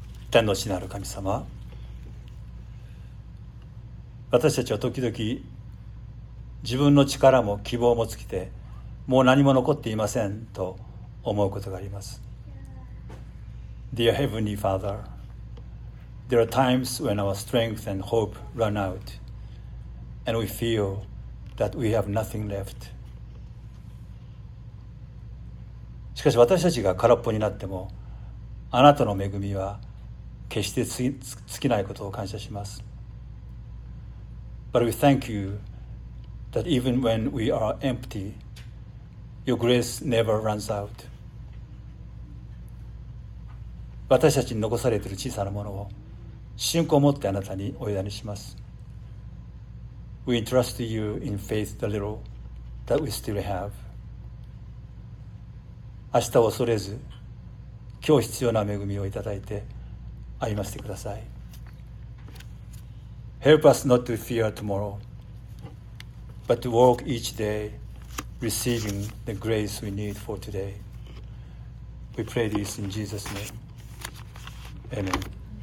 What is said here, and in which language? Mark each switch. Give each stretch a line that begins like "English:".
Japanese: 天の父なる神様、私たちは時々自分の力も希望も尽きてもう何も残っていませんと思うことがあります。
English: Dear Heavenly Father, there are times when our strength and hope run out and we feelThat we have nothing left.
Japanese: しかし私たちが空っぽになっても、あなたの恵みは決して尽きないことを感謝します。
English: But we thank you that even when we are empty, your grace never runs out.
Japanese: 私たちに残されている小さなものを信仰を持ってあなたにお委ねします。
English: We entrust to you in faith the little that we still have.
Japanese: 明日を恐れず、今日必要な恵みをいただいて歩ませてください。
English: Help us not to fear tomorrow, but to walk each day receiving the grace we need for today. We pray this in Jesus' name. Amen.